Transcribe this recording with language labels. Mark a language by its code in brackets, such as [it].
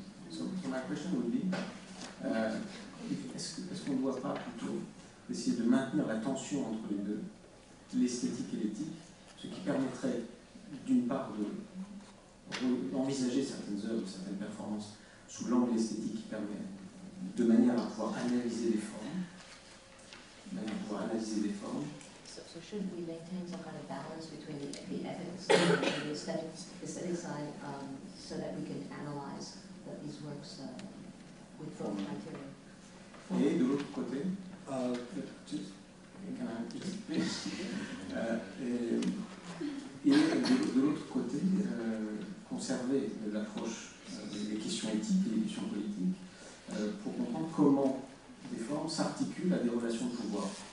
[en] So my question would be, [fr] est-ce qu'on ne doit pas plutôt essayer de maintenir la tension entre les deux, l'esthétique et l'éthique, ce qui permettrait d'une part d'envisager certaines œuvres, certaines performances sous l'angle esthétique qui permet de manière à pouvoir analyser les formes, de manière à pouvoir analyser les formes. [en] So should we maintain some kind of balance between the ethics and the aesthetic side so that we can analyze these works with form criteria? [fr] Et de l'autre côté, conserver l'approche des questions éthiques et des questions politiques pour comprendre comment des formes s'articulent à des relations de pouvoir.